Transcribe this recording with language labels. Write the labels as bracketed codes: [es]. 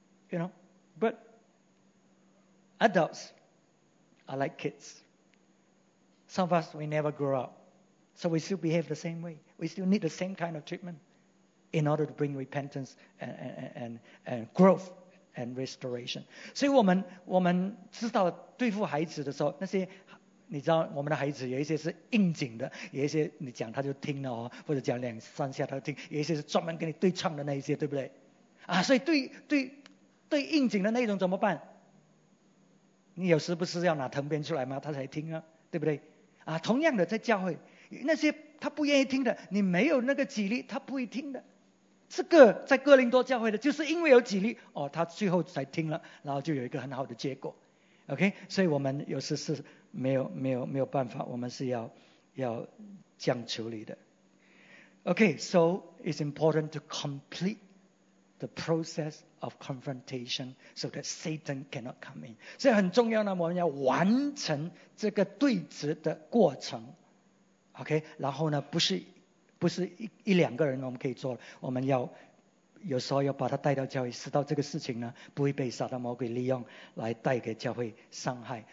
[en] You know, but adults. I like kids. Some of us, we never grow up. So we still behave the same way. We still need the same kind of treatment in order to bring repentance and growth and restoration. [zh] 所以我们知道对付孩子的时候，那些你知道我们的孩子有一些是应景的，有一些你讲他就听了，或者讲两三下他就听，有一些是专门跟你对唱的那一些，对不对？所以对应景的那种怎么办？你有时不是要拿藤鞭出来吗？他才听啊，对不对？同样的，在教会那些他不愿意听的，你没有那个纪律，他不会听的。这个在哥林多教会的，就是因为有纪律，他最后才听了，然后就有一个很好的结果。 OK， 所以我们有时是没有办法，我们是要这样处理的。 [en] OK， so it's important to complete the process. Of confrontation, so that Satan cannot come in. [zh] 所以很重要呢，我们要完成这个对质的过程 ，OK。然后呢，不是一两个人我们可以做，我们要有时候要把他带到教会，使到这个事情呢不会被撒旦魔鬼利用来带给教会伤害。